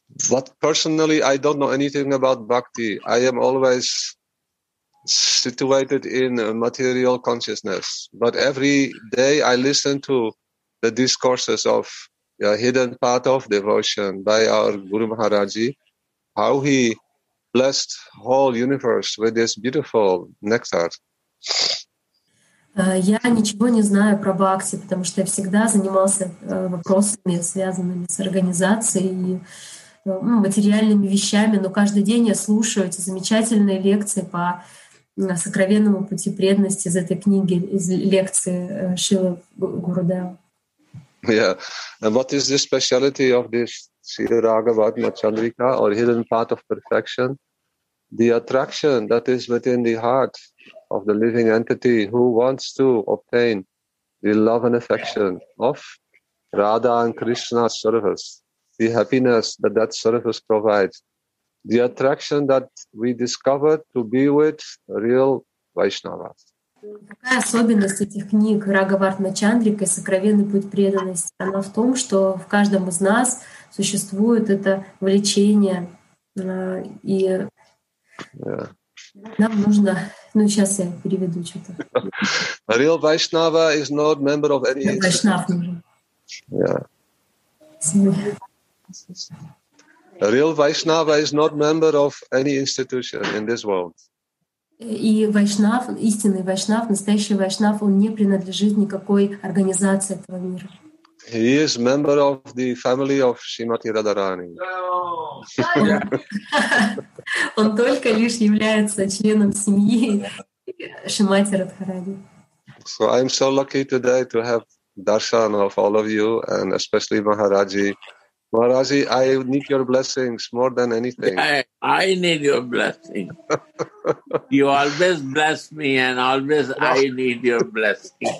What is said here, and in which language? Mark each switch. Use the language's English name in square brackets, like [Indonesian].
[English] But personally, I don't know anything about bhakti. I am always situated in material consciousness. But every day I listen to the discourses of a hidden path of devotion by our Guru Maharaji, how he blessed whole universe with this beautiful nectar. [Russian] Я ничего не знаю про бхакти, потому что я всегда занимался вопросами, связанными с организацией, и материальными вещами, но каждый день я слушаю эти замечательные лекции по сокровенному пути преданности из этой книги, из лекции Шилы Гурудева. [English] Yeah, and what is the speciality of this Sri Raghavatma Chandrika or hidden path of perfection? The attraction that is within the heart of the living entity who wants to obtain the love and affection of Radha and Krishna's service, the happiness that that service provides, the attraction that we discover to be with real Vaishnavas. [Russian] Какая особенность этих книг Рагхавартма Чандрика и «Сокровенный путь преданности»? Она в том, что в каждом из нас существует это влечение, и нам нужно… Ну, сейчас я переведу что-то. [English] Real Vaishnava is not member of any… Vaishnava. Yeah. Real Vaishnava is not member of any institution in this world. [Russian] И вайшнав, истинный вайшнав, настоящий вайшнав, он не принадлежит никакой организации этого мира. [English] He is member of the family of Shrimati Radharani. [Russian] Он только лишь является членом семьи Шримати Радхарани. [English] So I'm so lucky today to have darshan of all of you and especially Maharaji. Maharaji, I need your blessings more than anything. I need your blessing. You always bless me and always I need your blessing.